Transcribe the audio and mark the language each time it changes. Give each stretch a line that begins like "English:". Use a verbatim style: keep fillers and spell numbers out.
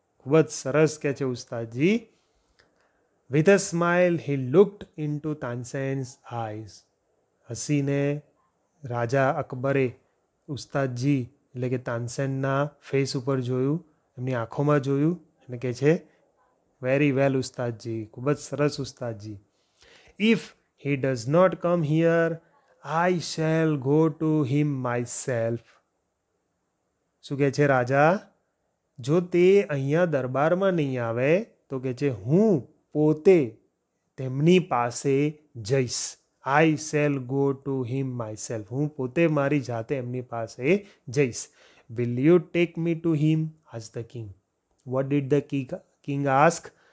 Gujarati: ખૂબ જ સરસ કહે છે Ustadji.
English: With a smile he looked into Tansen's eyes.
Gujarati: હસીને રાજા અકબરે ઉસ્તાદજી એટલે કે તાનસેનના ફેસ ઉપર જોયું, એમની આંખોમાં જોયું અને કહે છે,
English: very well
Gujarati: ઉસ્તાદજી, ખૂબ જ સરસ ઉસ્તાદજી.
English: If he does not come here, I shall go to him myself.
Gujarati: શું કહે છે રાજા? જો તે અહીંયા દરબારમાં નહીં આવે તો કહે છે હું પોતે તેમની પાસે જઈશ.
English: I shall go to him myself.
Gujarati: હું પોતે મારી જાતે એમની પાસે જઈશ.
English: Will you take me to him, as the king. What did the king king ask?